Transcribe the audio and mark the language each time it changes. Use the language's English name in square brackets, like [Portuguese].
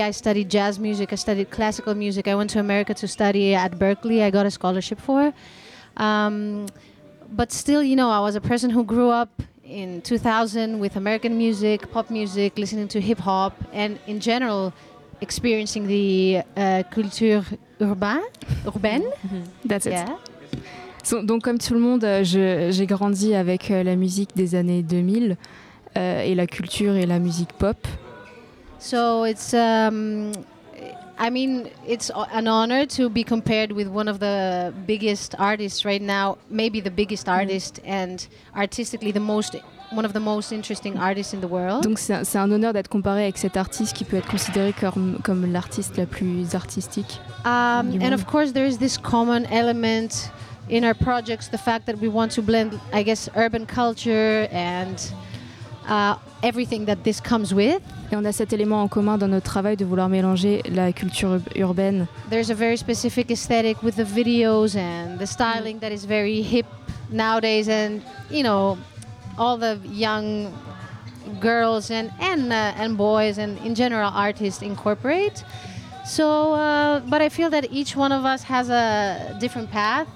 [English] I studied jazz music, I studied classical music, I went to America to study at Berkeley, I got a scholarship for. But still, you know, I was a person who grew up in 2000 with American music, pop music, listening to hip hop, and in general, experiencing the culture urbaine. That's it. Yeah. [French] Donc comme tout le monde, j'ai grandi avec la musique des années 2000 et la culture et la musique pop. [English] So it's it's an honor to be compared with one of the biggest artists right now, maybe the biggest artist and artistically one of the most interesting artists in the world. [French] Donc c'est un honneur d'être comparé avec cet artiste qui peut être considéré comme l'artiste la plus artistique. [English] And of course there is this common element in our projects the fact that we want to blend, I guess, urban culture and everything that this comes with. [French] Et on a cet élément en commun dans notre travail de vouloir mélanger la culture urbaine. [English] There's a very specific aesthetic with the videos and the styling that is very hip nowadays, and you know, all the young girls and boys and in general artists incorporate. So, but I feel that each one of us has a different path.